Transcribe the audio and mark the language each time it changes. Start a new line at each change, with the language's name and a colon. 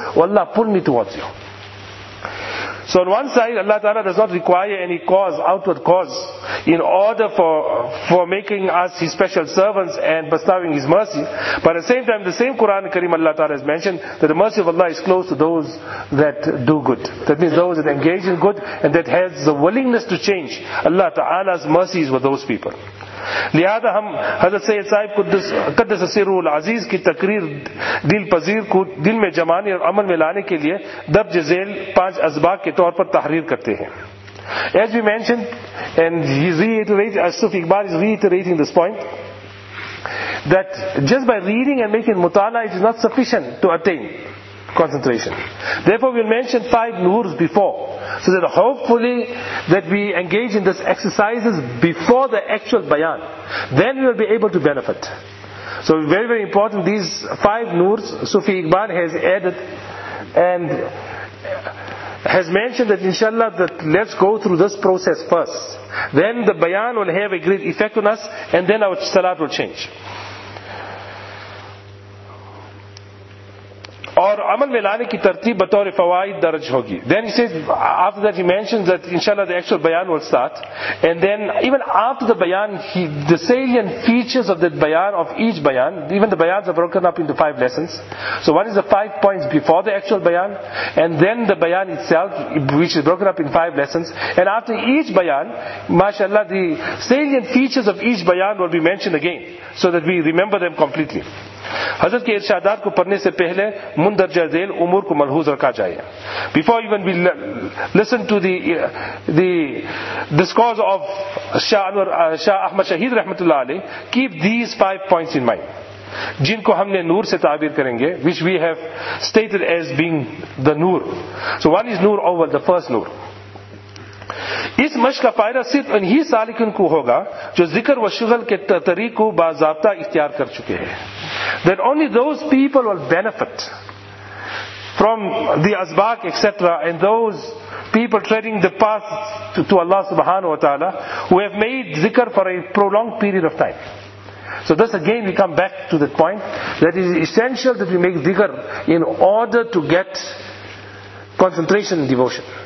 English: Oh Allah, pull me towards You. So on one side, Allah Ta'ala does not require any cause, outward cause, in order for making us His special servants and bestowing His mercy. But at the same time, the same Quran Kareem Allah Ta'ala has mentioned that the mercy of Allah is close to those that do good. That means those that engage in good and that has the willingness to change. Allah Ta'ala's mercy is with those people.
Urdu: لہذا ہم حضرت سید صاحب قدس سرہ العزیز کی تقریر دل پذیر کو دل میں جمانے اور عمل میں لانے کے لیے دبج ذیل پانچ اسباق کے طور پر تحریر کرتے ہیں.
English: As we mentioned and he's reiterating, Asuf Iqbal is reiterating this point, that just by reading and making mutala it is not sufficient to attain concentration. Therefore we'll mention five noors before, so that hopefully that we engage in this exercises before the actual bayan, then we will be able to benefit. So very very important, these five noors Sufi Iqbal has added and has mentioned that inshallah that let's go through this process first, then the bayan will have a great effect on us and then our salat will change.
Urdu: اور عمل میں لانے کی ترتیب بطور فوائد درج ہوگی.
English: Then he says, after that he mentions that inshallah the actual bayan will start. And then even after the bayan, the salient features of that bayan, of each bayan, even the bayans are broken up into five lessons. So one is the five points before the actual bayan, and then the bayan itself, which is broken up in five lessons. And after each bayan, mashallah, the salient features of each bayan will be mentioned again, so that we remember them completely.
Urdu: حضرت کے ارشادات کو پڑھنے سے پہلے مندرجہ ذیل امور کو ملحوظ رکھا جائے.
English: Before even we listen to the discourse of Shah Ahmad Shahid رحمت اللہ علیہ, keep these five points in mind,
Urdu: جن کو ہم نے نور سے تعبیر کریں گے,
English: which we have stated as being the نور. So one is نور اول, the first نور.
Urdu: اس مشق کا فائدہ صرف انہی سالکن کو ہوگا جو ذکر و شغل کے طریق کو باضابطہ اختیار کر چکے ہیں.
English: That only those people will benefit from the azbaq etc. and those people treading the path to Allah subhanahu wa ta'ala who have made zikr for a prolonged period of time. So this again we come back to the point that it is essential that we make zikr in order to get concentration and devotion.